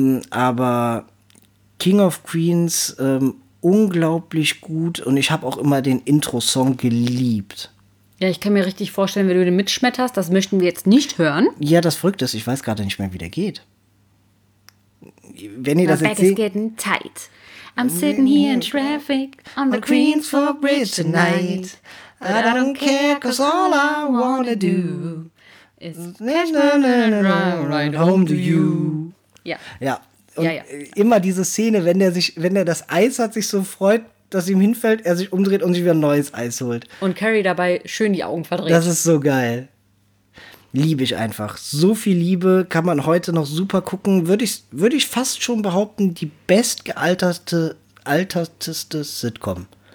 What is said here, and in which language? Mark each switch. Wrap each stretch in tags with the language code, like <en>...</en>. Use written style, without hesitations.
<de>Aber King of Queens unglaublich gut und ich habe auch immer den Intro-Song geliebt. Ja, ich kann mir richtig vorstellen, wenn du den mitschmetterst, das möchten wir jetzt nicht hören. Ja, das Verrückte ist, ich weiß gerade nicht mehr, wie der geht. Wenn ihr das jetzt seht.</de> <en>My bag is getting tight. I'm sitting here in traffic on the Queensford Bridge tonight. But I don't care, cause all I wanna do is catch my man and run right home to you.</en> <de>Ja. Und immer diese Szene, wenn er das Eis hat, sich so freut, dass ihm hinfällt, er sich umdreht und sich wieder ein neues Eis holt. Und Carrie dabei schön die Augen verdreht. Das ist so geil. Liebe ich einfach. So viel Liebe kann man heute noch super gucken. Würde ich fast schon behaupten, die bestgealterteste Sitcom.</de>